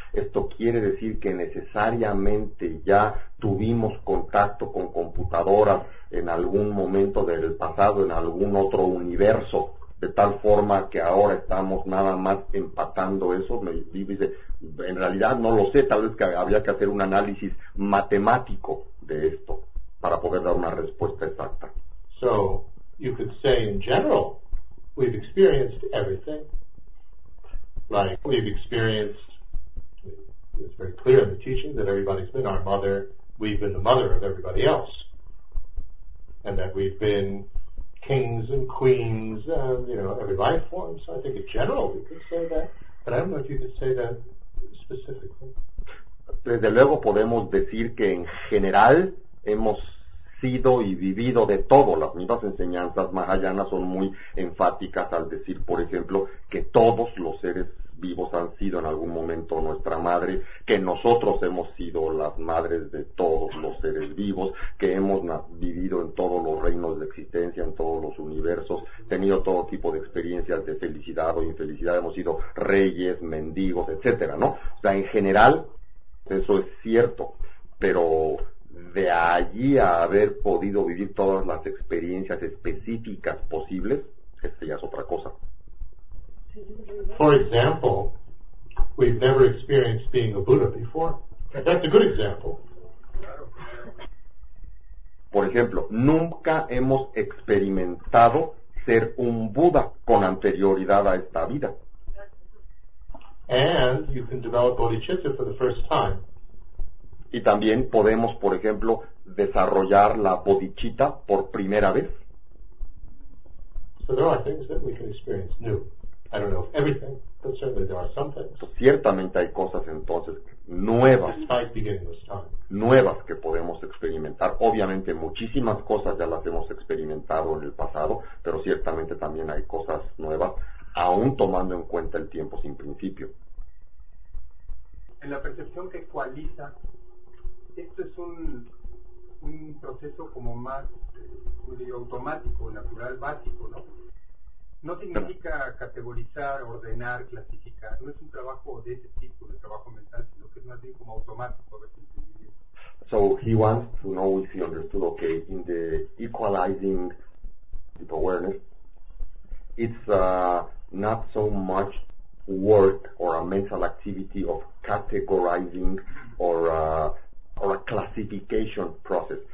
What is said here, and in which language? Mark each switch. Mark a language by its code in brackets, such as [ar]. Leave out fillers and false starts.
[es] Esto quiere decir que necesariamente ya tuvimos contacto con computadoras en algún momento del pasado, en algún otro universo, de tal forma que ahora estamos nada más empatando eso. Dice, en realidad no lo sé, tal vez que habría que hacer un análisis matemático de esto para poder dar una respuesta exacta. [en] So, you could say in general, we've experienced everything. Like, we've experienced, it's very clear in the teaching that everybody's been our mother, we've been the mother of everybody else. And that we've been kings and queens, every life form. So I think in general we could say that, but I don't know if you could say that specifically. [es] Desde luego podemos decir que en general hemos sido y vivido de todo. Las mismas enseñanzas mahayanas son muy enfáticas al decir, por ejemplo, que todos los seres vivos han sido en algún momento nuestra madre, que nosotros hemos sido las madres de todos los seres vivos, que hemos vivido en todos los reinos de existencia, en todos los universos, tenido todo tipo de experiencias de felicidad o infelicidad, hemos sido reyes, mendigos, etcétera, ¿no? O sea, en general, eso es cierto, pero de allí a haber podido vivir todas las experiencias específicas posibles, este ya es otra cosa. [en] For example, we've never experienced being a Buddha before. That's a good example. [es] Por ejemplo, nunca hemos experimentado ser un Buda con anterioridad a esta vida. [en] And you can develop bodhicitta for the first time. [es] Y también podemos, por ejemplo, desarrollar la bodhicitta por primera vez. [en] So there are things that we can experience new. I don't know if everything, but certainly there are some things. So [es] ciertamente hay cosas entonces nuevas. [en] Despite beginning this time. [es] Nuevas que podemos experimentar. Obviamente muchísimas cosas ya las hemos experimentado en el pasado, pero ciertamente también hay cosas nuevas, aún tomando en cuenta el tiempo sin principio. En la percepción que ecualiza, esto es un proceso como más, como digo, automático, natural, básico, ¿no? No significa categorizar, ordenar, clasificar, no es un trabajo de ese tipo, de trabajo mental, sino que es más bien como automático, a veces. [en] So he wants to know if he understood, okay, in the equalizing deep awareness, it's not so much work or a mental activity of categorizing or a classification process.